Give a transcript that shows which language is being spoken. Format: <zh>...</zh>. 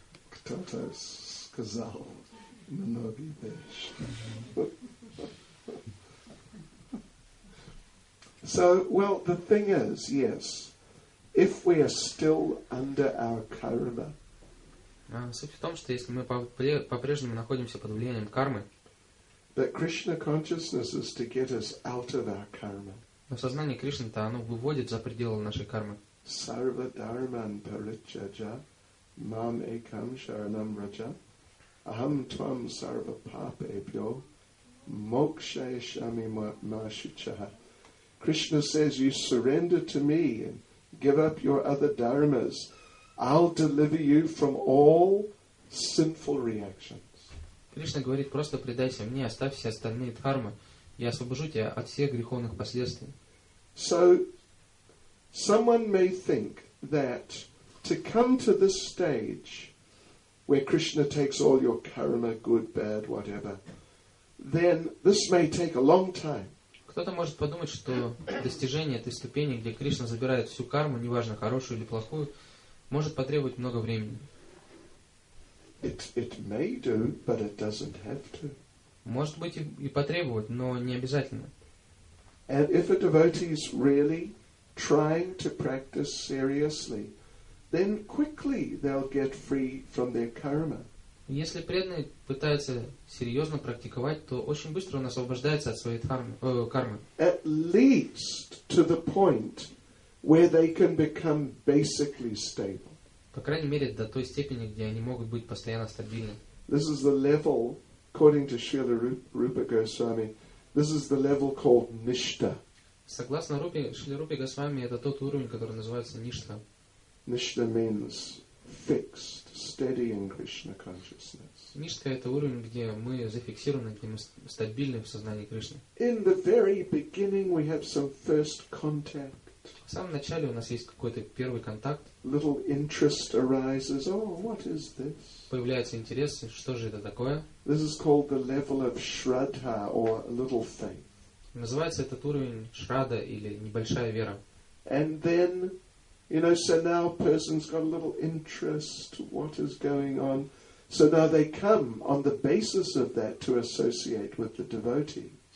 <ru>Кто-то сказал, многие вещи.</ru> <en>So, well, the thing is, yes, if we are still under our karma,</en> <ru>суть в том, что если мы по-прежнему находимся под влиянием кармы,</ru> <en>that Krishna consciousness is to get us out of our karma.</en> <ru>Но сознание Кришны-то оно выводит за пределы нашей кармы.</ru> <sa>Sarva dharman parichaja, mam ekam sharanam raja, aham tvam sarva papebhyo, moksha yashami mashuchaha.</sa> <en>Krishna says, you surrender to me and give up your other dharmas. I'll deliver you from all sinful reactions.</en> <ru>Кришна говорит, просто предайся мне, оставь все остальные дхармы, я освобожу тебя от всех греховных последствий.</ru> <en>So, someone may think that to come to this stage where Krishna takes all your karma, good, bad, whatever, then this may take a long time.</en> <ru>Кто-то может подумать, что достижение этой ступени, где Кришна забирает всю карму, неважно, хорошую или плохую, может потребовать много времени.</ru> <en>It may do, but it doesn't have to.</en> <ru>Может быть и потребовать, но не обязательно.</ru> <en>And if a devotee is really trying to practice seriously, then quickly they'll get free from their karma.</en> <ru>Если преданный пытается серьезно практиковать, то очень быстро он освобождается от своей кармы.</ru> <en>At least to the point where they can become basically stable.</en> <ru>По крайней мере, до той степени, где они могут быть постоянно стабильны.</ru> <en>This is the level, according to Srila Rupa Goswami, this is the level called Nishta.</en> <ru>Согласно Шриле Рупе Госвами, это тот уровень, который называется Ништа.</ru> <en>Ништа means fixed, steady in Krishna consciousness.</en> <ru>Нишка — это уровень, где мы зафиксированы, где мы стабильны в сознании Кришны.</ru> <en>In the very beginning we have some first contact.</en> <ru>В самом начале у нас есть какой-то первый контакт.</ru> <en>Little interest arises. Oh, what is this?</en> <ru>Появляется интерес. Что же это такое?</ru> <en>This is called the level of Shraddha or little faith.</en> <ru>Называется этот уровень Шрадда или небольшая вера.</ru> <en>And then, you know, so now a person's got a little interest, what is going on. So now they come on the basis of that to associate with the devotees.</en>